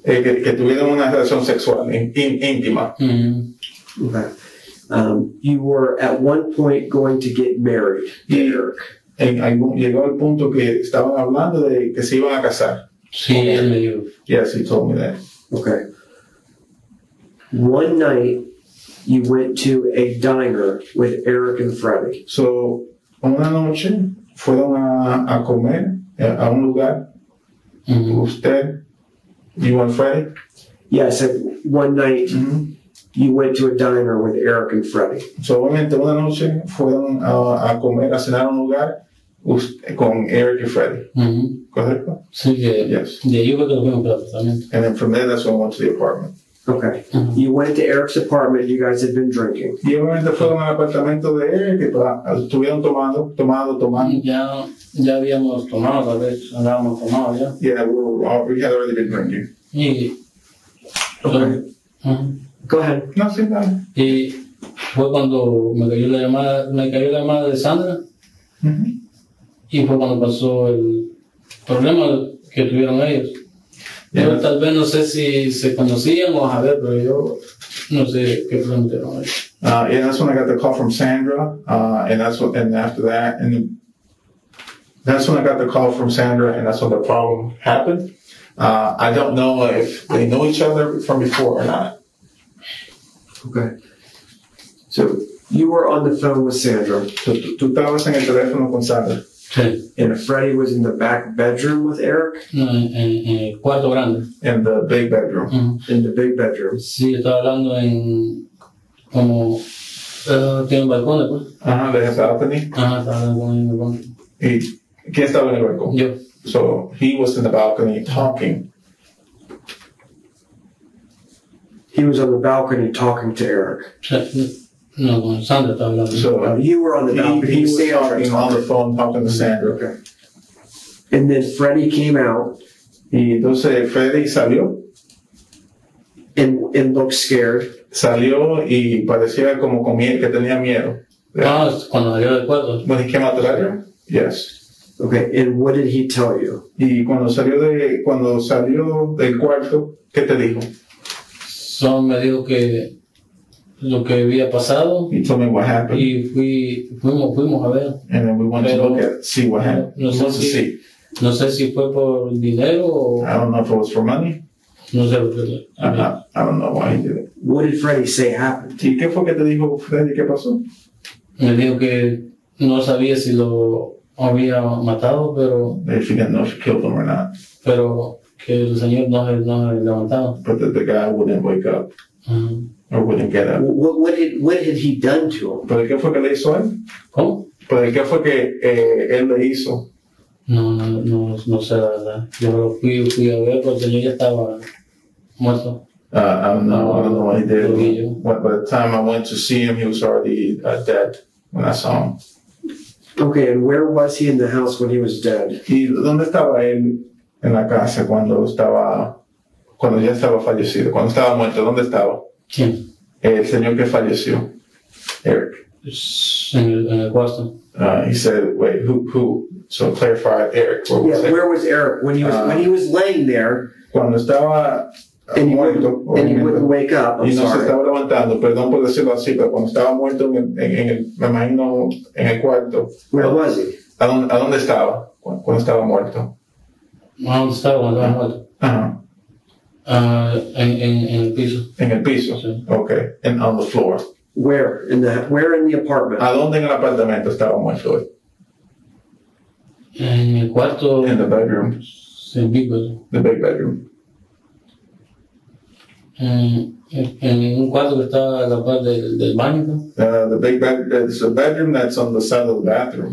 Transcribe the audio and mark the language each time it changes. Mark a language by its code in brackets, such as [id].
[es] Que tuvieron una relación sexual íntima. Mm-hmm. [en] Okay. You were at one point going to get married to Eric. [es] Llegó el punto que estaban hablando de que se iban a casar. Sí, él me dijo. [en] Yes, he told me that. Okay. One night, you went to a diner with Eric and Freddy. [es] So, una noche, fueron a comer a un lugar. [en] Mm-hmm. [es] Usted, [en] you and Freddy? Yes, yeah, so one night, mm-hmm. you went to a diner with Eric and Freddy. [es] So, obviamente, una noche, fueron a comer, a cenar a un lugar. Con Eric y Freddy. Mm-hmm. ¿Correcto? Sí, que [en] yes. [es] De ahí fue que lo vimos para el apartamento. [en] And then from there, that's when I went to the apartment. Okay. Mm-hmm. You went to Eric's apartment, you guys had been drinking. [es] Y obviamente fueron al apartamento de Eric y estuvieron tomando. Ya habíamos tomado, tal vez. Andábamos tomado ya. [en] Yeah, we had already been drinking. [es] Y, [en] okay. Mm-hmm. Go ahead. [es] No, sí, no. Y fue cuando me cayó la llamada de Sandra. Mm-hmm. Y fue cuando pasó el problema que tuvieron ellos. Yeah. Yo tal vez no sé si se conocían o a ver, pero yo no sé qué problema tuvieron ellos. [en] Yeah, that's when I got the call from Sandra. That's when I got the call from Sandra, and that's when the problem happened. I don't know if they know each other from before or not. Okay. So, you were on the phone with Sandra. [es] Tú estabas en el teléfono con Sandra. [en] Okay. And Freddy was in the back bedroom with Eric? [es] No, en el cuarto grande. [en] In the big bedroom. Mm-hmm. In the big bedroom. [es] Sí, estaba hablando en como tiene un balcón después. Ajá, de esa balcony. Ajá, estaba hablando en el balcón. ¿Y quién estaba en el balcón? Yo. [en] So he was in the balcony talking. He was on the balcony talking to Eric. [es] Sí. No, con Sandra estaba hablando. [en] So, you were on the balcony. He was talking on the phone, talking to Sandra. Okay. And then Freddie came out. [es] Y entonces Freddie salió. [en] And looked scared. [es] Salió y parecía como que tenía miedo. Yeah. Ah, cuando salió del cuarto. [en] When he came out the bedroom? Yes. Okay, and what did he tell you? [es] Y cuando salió del cuarto, ¿qué te dijo? Son me dijo que lo que había pasado. [en] He told me what happened. [es] Y fuimos a ver. [en] And then we went to look at, see what happened. [es] No sé si fue por dinero o... [en] I don't know if it was for money. [es] No sé lo que fue. [en] I don't know why he did it. What did Freddy say happened? [es] ¿Y qué fue que te dijo Freddy? ¿Qué pasó? Me dijo que no sabía si lo había matado, pero... [en] If he didn't know if he killed him or not. [es] Pero que el señor no había levantado. [en] But that the guy wouldn't wake up. Uh-huh. Or wouldn't get up. What had he done to him? [es] ¿Pero qué fue que le hizo a él? ¿Cómo? ¿Pero qué fue que él le hizo? No sé la verdad. Yo lo fui a ver, pero el señor ya estaba muerto. [en] I don't know what he did. By the time I went to see him, he was already dead when I saw him. Okay, and where was he in the house when he was dead? [es] ¿Dónde estaba él en la casa cuando ya estaba fallecido? Cuando estaba muerto, ¿dónde estaba? ¿Quién? El señor que falleció, Eric. En el cuarto. [en] He said, wait, who? So clarify, Eric. Where was Eric when he was laying there? [es] Cuando estaba... [en] And he wouldn't wake up. I'm [es] y no [en] sorry. [es] Se estaba levantando, perdón por decirlo así, pero cuando estaba muerto me imagino en el cuarto. [en] Where was he? [es] ¿A dónde estaba? Cuando estaba muerto. ¿A dónde estaba cuando estaba muerto? En el piso. En el piso. Sí. [en] Okay. And on the floor. Where? In the apartment? [es] ¿A dónde en el apartamento estaba muerto? En el cuarto. [en] In the bedroom. [es] Sí, [en] big bedroom. The big bedroom. [es] En un cuarto que está a la par del baño. [en] The big bedroom, it's a bedroom that's on the side of the bathroom.